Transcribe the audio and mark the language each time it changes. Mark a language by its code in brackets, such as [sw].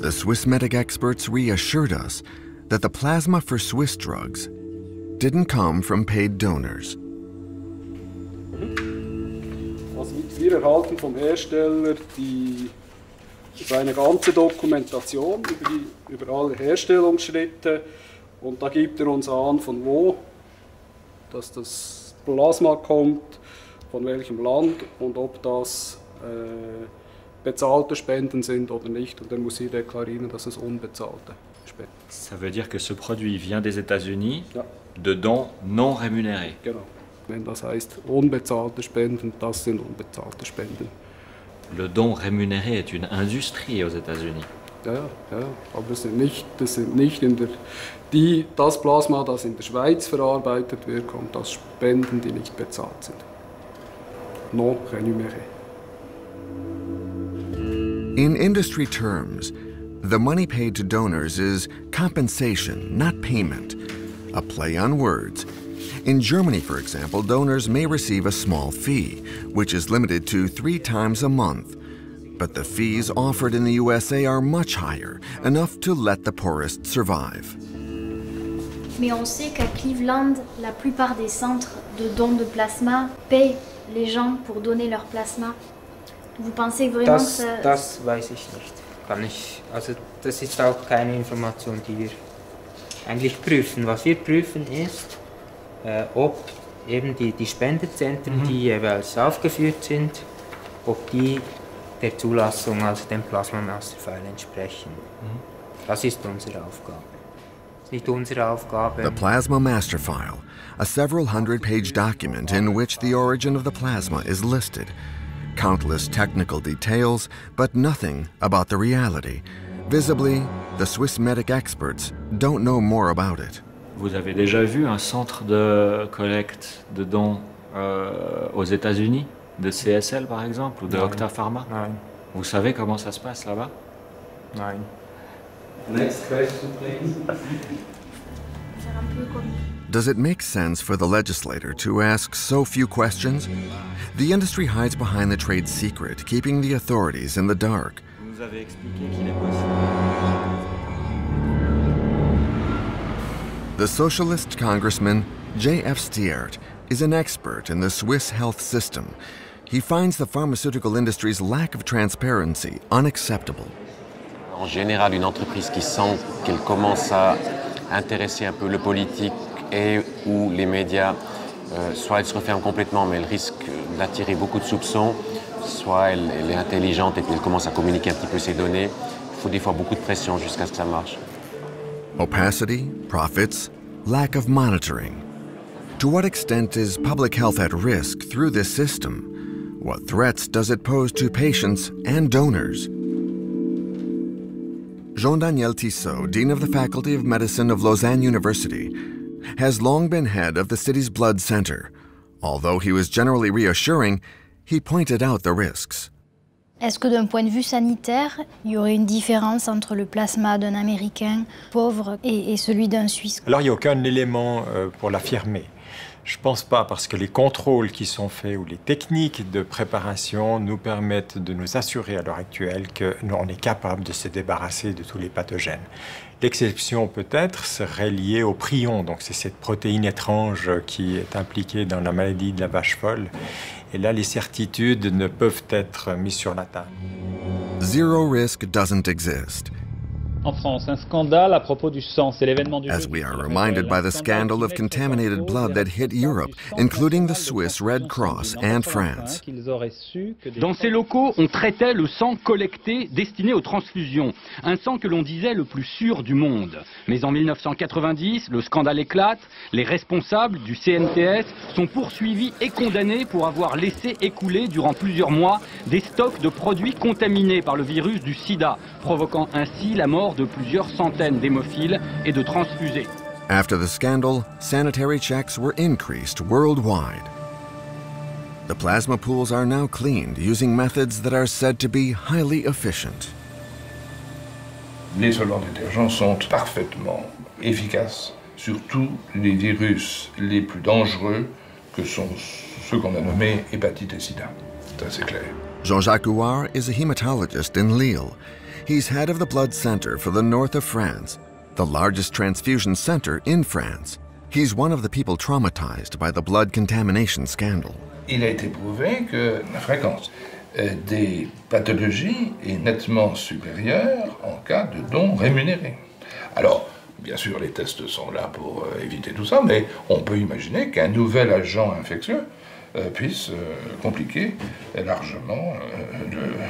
[en] The Swiss medic experts reassured us that the plasma for Swiss drugs didn't come from paid donors. [de] Also wir erhalten vom Hersteller eine ganze Dokumentation über alle Herstellungsschritte. Und da gibt uns an, von wo dass das Plasma kommt, von welchem Land und ob das bezahlte Spenden sind oder nicht. Und dann muss sie deklarieren, dass es unbezahlte Spenden sind. [fr] Ça veut dire que ce produit vient des États-Unis, ja. De dons non rémunérés. [de] Genau. Wenn das heißt unbezahlte Spenden, das sind unbezahlte Spenden. [fr] Le don rémunéré est une industrie aux États-Unis. [de] Ja, ja, aber das sind nicht in der die das Plasma, das in der Schweiz verarbeitet wird, kommt aus Spenden, die nicht bezahlt sind. [fr] Non rémunéré. [en] In industry terms, the money paid to donors is compensation, not payment. A play on words. In Germany, for example, donors may receive a small fee, which is limited to 3 times a month. But the fees offered in the USA are much higher, enough to let the poorest survive. [fr] Mais on sait qu'à Cleveland, la plupart des centres de dons de plasma paient les gens pour donner leur plasma. Vous pensez vraiment [de] das, [fr] que... [de] Das weiß ich nicht. Kann ich... Also, das ist auch keine Information, die wir eigentlich prüfen. Was wir prüfen ist, ob eben die Spendezentren, mhm. die jeweils aufgeführt sind, ob die der Zulassung, also dem Plasma Master File entsprechen. Mhm. Das ist unsere Aufgabe. [en] The Plasma Master File, a several hundred page document in which the origin of the plasma is listed. Countless technical details, but nothing about the reality. Visibly, the Swiss medic experts don't know more about it. [fr] Vous avez déjà vu un centre de collecte de dons aux États-Unis, de CSL par exemple, ou de Octa Pharma? Non. Vous savez comment ça se passe là-bas? Non. [en] Next question, please. Does it make sense for the legislator to ask so few questions? The industry hides behind the trade secret, keeping the authorities in the dark. The socialist congressman, J.F. Stiert, is an expert in the Swiss health system. He finds the pharmaceutical industry's lack of transparency unacceptable. [fr] En général, une entreprise qui sent qu'elle commence à intéresser un peu le politique et ou les médias, soit elle se referme complètement, mais elle risque d'attirer beaucoup de soupçons, soit elle est intelligente et puis elle commence à communiquer un petit peu ses données. Il faut des fois beaucoup de pression jusqu'à ce que ça marche. [en] Opacity, profits, lack of monitoring. To what extent is public health at risk through this system? What threats does it pose to patients and donors? Jean-Daniel Tissot, Dean of the Faculty of Medicine of Lausanne University, has long been head of the city's blood center. Although he was generally reassuring, he pointed out the risks. [fr] Est-ce que d'un point de vue sanitaire, il y aurait une différence entre le plasma d'un Américain pauvre et celui d'un Suisse? Alors, il n'y a aucun élément pour l'affirmer. Je ne pense pas, parce que les contrôles qui sont faits ou les techniques de préparation nous permettent de nous assurer à l'heure actuelle que nous, on est capable de se débarrasser de tous les pathogènes. L'exception peut-être serait liée au prion, donc c'est cette protéine étrange qui est impliquée dans la maladie de la vache folle. Et là, les certitudes ne peuvent être mises sur la table. [en] Zero risk doesn't exist. [fr] En France, un scandale à propos du sang, c'est l'événement du [en] As we are reminded by the scandal of contaminated blood that hit Europe, including the Swiss Red Cross and France. [fr] Dans ces locaux, on traitait le sang collecté destiné aux transfusions, un sang que l'on disait le plus sûr du monde. Mais en 1990, le scandale éclate, les responsables du CNTS sont poursuivis et condamnés pour avoir laissé écouler durant plusieurs mois des stocks de produits contaminés par le virus du sida, provoquant ainsi la mort de plusieurs centaines d'hémophiles et de transfusés. [en] After the scandal, sanitary checks were increased worldwide. The plasma pools are now cleaned using methods that are said to be highly efficient. [fr] Les solvants détergents sont parfaitement efficaces sur tous les virus les plus dangereux que sont ceux qu'on a nommés hépatite et sida. Ça c'est clair. [en] Jean-Jacques Houard is a hematologist in Lille. He's head of the blood center for the north of France, the largest transfusion center in France. He's one of the people traumatized by the blood contamination scandal. [fr] Il a été prouvé que la fréquence des pathologies est nettement supérieure en cas de don rémunéré. Alors, bien sûr, les tests sont là pour éviter tout ça, mais on peut imaginer qu'un nouvel agent infectieux puisse compliquer largement le.